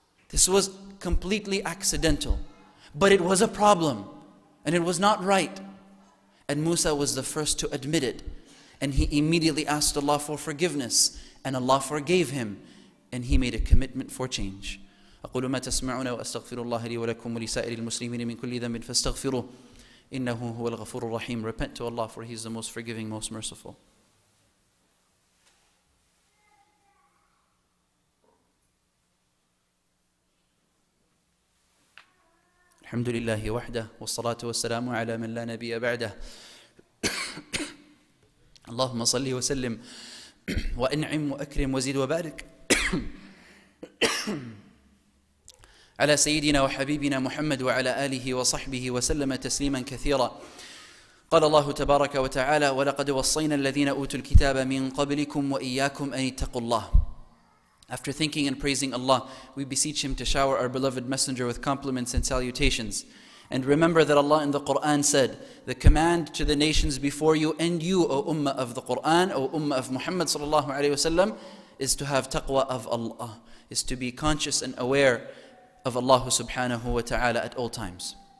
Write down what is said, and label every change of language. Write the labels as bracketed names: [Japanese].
[English] This was completely accidental. But it was a problem. And it was not right. And Musa was the first to admit it. And he immediately asked Allah for forgiveness. And Allah forgave him. And he made a commitment for change. [Arabic] أقول ما تسمعون وأستغفر الله لي ولكم ولسائر المسلمين من كل ذنب فاستغفروه إنه هو الغفور الرحيم. [English] Repent to Allah, for He is the most forgiving, most merciful. [Arabic] الحمد لله وحده والصلاة والسلام على من لا نبي بعده. اللهم صل وسلم وأنعم وأكرم وزيد وبارك. على سيدنا وحبيبنا محمد وعلى آله وصحبه وسلم تسليما كثيرا قال الله تبارك وتعالى ولقد وصينا الذين أوتوا الكتاب من قبلكم وإياكم أن يتقوا الله. [English] After thinking and praising Allah, we beseech Him to shower our beloved messenger with compliments and salutations. And remember that Allah in the Quran said, the command to the nations before you and you, O Ummah of the Quran, O Ummah of Muhammad sallallahu alayhi wasallam, is to have taqwa of Allah, is to be conscious and aware of Allah subhanahu wa ta'ala at all times.